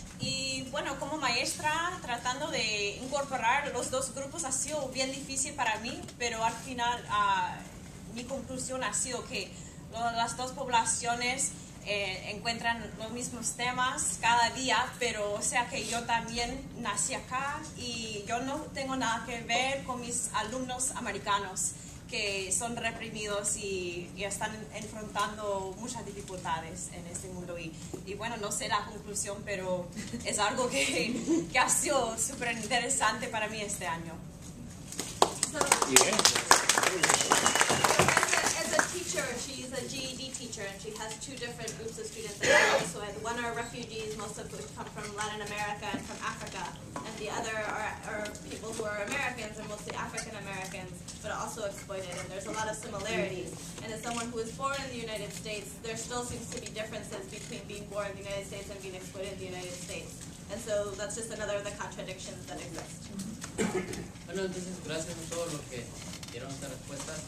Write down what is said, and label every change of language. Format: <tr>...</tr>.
<es>Y bueno, como maestra, tratando de incorporar los dos grupos ha sido bien difícil para mí, pero al final mi conclusión ha sido que las dos poblaciones encuentran los mismos temas cada día, pero o sea que yo también nací acá y yo no tengo nada que ver con mis alumnos americanos que son reprimidos y están enfrentando muchas dificultades en este mundo. Y bueno, no sé la conclusión, pero es algo que ha sido súper interesante para mí este año.</es> <en>As a teacher, she is a GED teacher, and she has two different groups of students that I also had. One are refugees, most of which come from Latin America and from Africa, and the other are people who are Americans and mostly African Americans, but also exploited, and there's a lot of similarities. And as someone who was born in the United States, there still seems to be differences between being born in the United States and being exploited in the United States. And so that's just another of the contradictions that exist.</en> <es>Bueno, entonces gracias a todos los que dieron esta respuesta.</es>